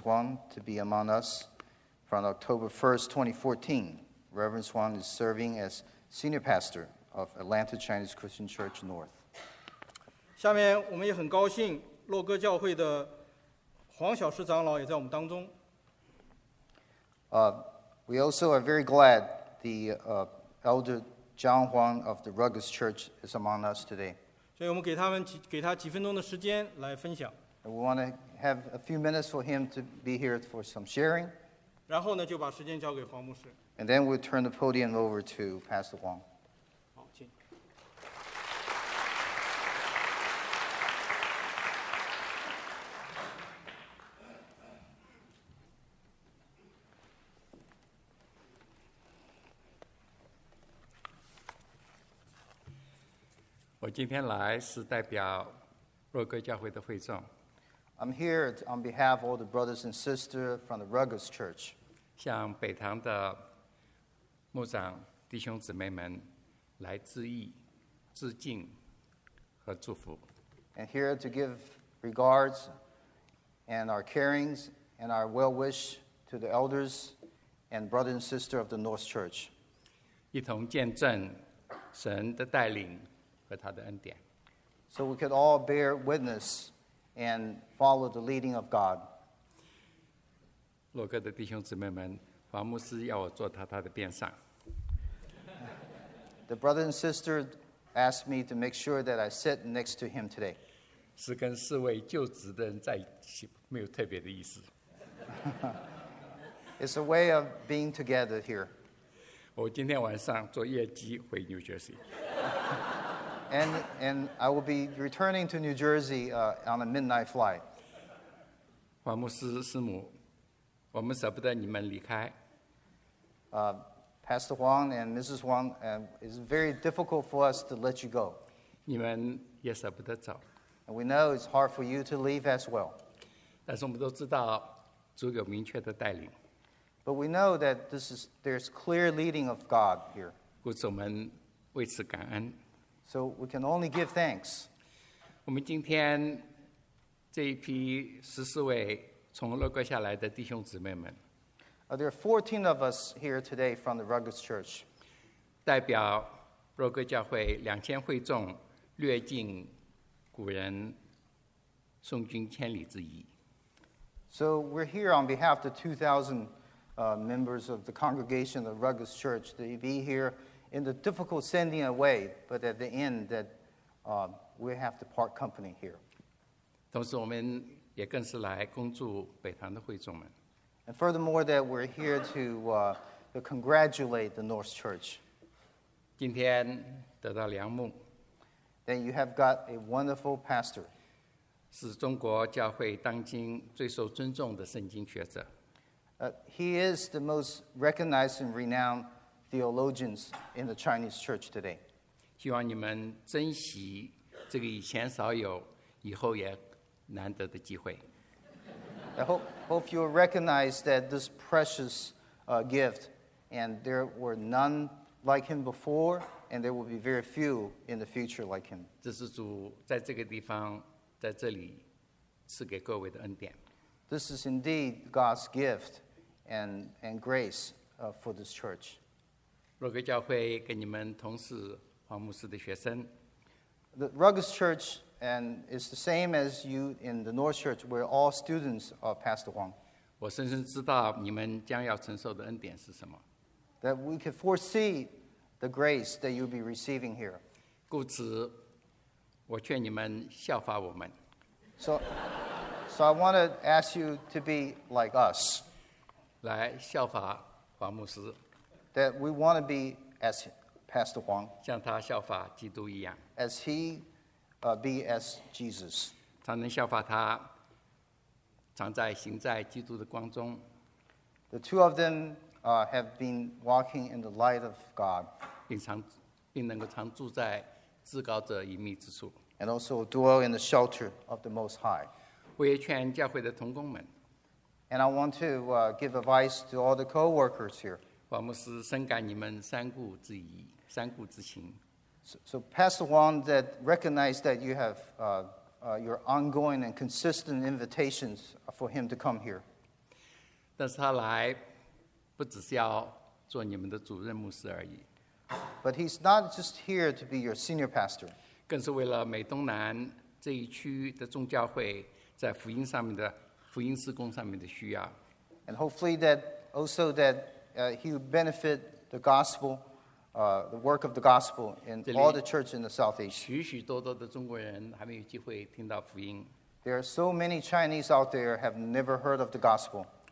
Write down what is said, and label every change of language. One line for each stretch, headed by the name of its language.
English: Huang to be among us. From October 1st, 2014, Reverend Huang is serving as Senior Pastor of Atlanta Chinese Christian Church North.
Chinese: 下面我们也很高兴,
English: we also are very glad the Elder John Huang of the Rutgers Church is among us today.
Chinese: 所以我们给他几分钟的时间来分享。
English: We want to have a few minutes for him to be here for some sharing.
Chinese: 然后呢，就把时间交给黄牧师。
English: And then we'll turn the podium over to Pastor Huang.
Chinese: 好，请。我今天来是代表若歌教会的会众。
English: I'm here on behalf of all the brothers and sisters from the Ruggles Church.
Chinese: 向北堂的牧长弟兄姊妹们来致意、致敬和祝福。
English: And here to give regards and our carings and our well wish to the elders and brothers and sisters of the North Church.
Chinese: 一同见证神的带领和他的恩典。
English: So we could all bear witness and follow the leading of God.
Chinese: 洛克的弟兄姊妹们，黄牧师要我坐到他的边上。
English: The brother and sister asked me to make sure that I sit next to him today.
Chinese: 是跟四位就职的人在一起，没有特别的意思。
English: It's a way of being together here.
Chinese: 我今天晚上坐夜机回 New Jersey.
English: And I will be returning to New Jersey on a midnight flight.
Chinese: 黄牧师师母，我们舍不得你们离开。
English: Pastor Huang and Mrs. Huang, it's very difficult for us to let you go.
Chinese: 你们也舍不得走。
English: And we know it's hard for you to leave as well.
Chinese: 但是我们都知道主有明确的带领。
English: But we know that there's clear leading of God here.
Chinese: 故此我们为此感恩。
English: So we can only give thanks.
Chinese: 我们今天这一批十四位从乐国下来的弟兄姊妹们。
English: There are 14 of us here today from the Ruggles Church.
Chinese: 代表若歌教会2000会众略尽古人送君千里之谊。
English: So we're here on behalf of the 2,000 members of the congregation of the Ruggles Church. They be here in the difficult sending away, but at the end that we have to part company here.
Chinese: 同时我们也更是来恭祝北堂的会众们。
English: And furthermore, that we're here to congratulate the North Church.
Chinese: 今天得到良牧。
English: Then you have got a wonderful pastor.
Chinese: 是中国教会当今最受尊重的圣经学者。
English: He is the most recognized and renowned theologians in the Chinese church today.
Chinese: 希望你们珍惜这个以前少有，以后也难得的机会。
English: I hope you'll recognize that this precious gift, and there were none like him before, and there will be very few in the future like him.
Chinese: 这是主在这个地方，在这里赐给各位的恩典。
English: This is indeed God's gift and grace for this church.
Chinese: 若歌教会跟你们同是黄牧师的学生。
English: The Ruggles Church and it's the same as you in the North Church, we're all students of Pastor Huang.
Chinese: 我深深知道你们将要承受的恩典是什么。
English: That we can foresee the grace that you'll be receiving here.
Chinese: 故此，我劝你们效法我们。
English: So I want to ask you to be like us.
Chinese: 来效法黄牧师。
English: That we want to be as Pastor Huang.
Chinese: 像他效法基督一样。
English: As he be as Jesus.
Chinese: 常能效法他，常在行在基督的光中。
English: The two of them have been walking in the light of God.
Chinese: 并能够常住在至高者隐秘之处。
English: And also dwell in the shelter of the Most High.
Chinese: 我也劝教会的同工们。
English: And I want to give advice to all the co-workers here.
Chinese: 黄牧师深感你们三顾之谊，三顾之情。
English: So Pastor Huang, that recognize that you have your ongoing and consistent invitations for him to come here.
Chinese: 但是他来不只是要做你们的主任牧师而已。
English: But he's not just here to be your senior pastor.
Chinese: 更是为了美东南这一区的众教会在福音上面的福音事工上面的需要。
English: And hopefully that also that he will benefit the gospel. The work of the gospel in all the churches in the Southeast. There are so many Chinese out there who have never heard of the gospel.